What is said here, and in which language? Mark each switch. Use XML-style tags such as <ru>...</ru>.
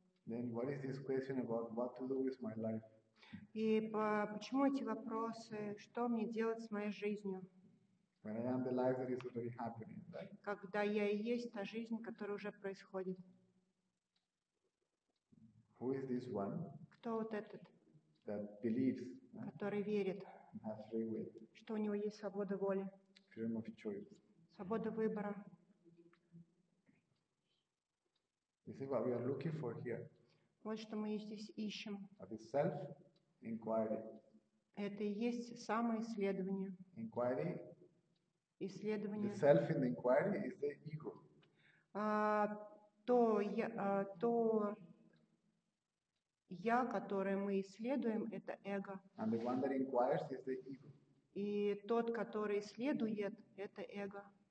<en>Then what is this question about what to do with my life?</en> <ru>И почему эти вопросы, что мне делать с моей жизнью?</ru> <en>When I am the life that is already happening, right?</en> <ru>Когда я и есть та жизнь, которая уже происходит.</ru> <en>Who is this one?</en> <ru>Кто вот этот?</ru> <en>That believes,</en> <ru>который верит,</ru> <en>has free will,</en> <ru>что у него есть свобода воли,</ru> <en>freedom of choice,</en> <ru>свобода выбора.</ru> <en>You see what we are looking for here?</en> <ru>Вот что мы здесь ищем.</ru> <en>That is self-inquiry.</en> <ru>Это и есть самоисследование.</ru> <en>Inquiry.</en> <ru>Исследование.</ru> <en>The self in the inquiry is the ego.</en> <ru>То я, которое мы исследуем, это эго.</ru> <en>And the one that inquires is the ego.</en> <ru>И тот, который исследует, это эго.</ru>